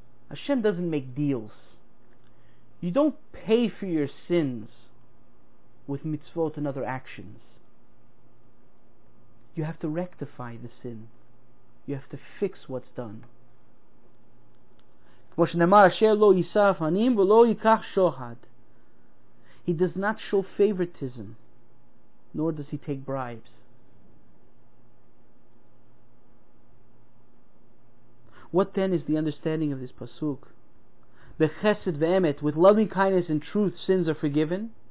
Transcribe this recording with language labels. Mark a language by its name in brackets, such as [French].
[English] Hashem doesn't make deals. You don't pay for your sins with mitzvot and other actions. You have to rectify the sin. You have to fix what's done. [Hebrew] כמו שנאמר, אשר לא יישא רפנים ולא ייקח שוחד. [English] He does not show favoritism, nor does he take bribes. What then is the understanding of this pasuk? Bechesed ve'emet, with loving kindness and truth, sins are forgiven.